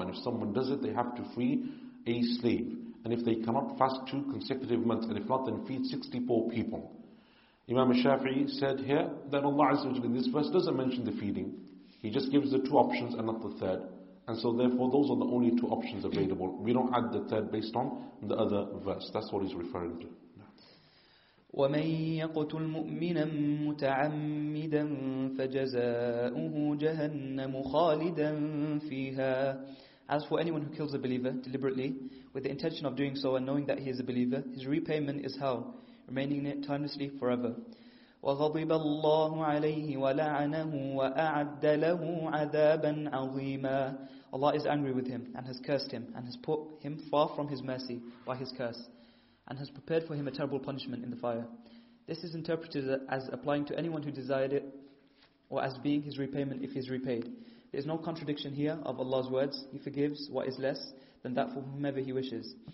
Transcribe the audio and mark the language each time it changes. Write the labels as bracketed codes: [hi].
[en] And if someone does it, they have to free a slave. And if they cannot fast 2 consecutive months, and if not, then feed 64 people. Imam Shafi'i said here that Allah Azza wa Jalla in this verse doesn't mention the feeding. He just gives the 2 options and not the 3rd. And so therefore, those are the only 2 options available. We don't add the 3rd based on the other verse. That's what he's referring to. [ar] ومن يقتل مؤمنا متعمدا فجزاؤه جهنم خالدا فيها. [en] As for anyone who kills a believer deliberately with the intention of doing so and knowing that he is a believer, his repayment is hell, remaining in it timelessly forever. [ar] وغضب الله عليه ولعنه وأعد له عذابا عظيما. [en] Allah is angry with him and has cursed him and has put him far from his mercy by his curse and has prepared for him a terrible punishment in the fire. This is interpreted as applying to anyone who desired it or as being his repayment if he is repaid. There is no contradiction here of Allah's words. He forgives what is less than that for whomever he wishes.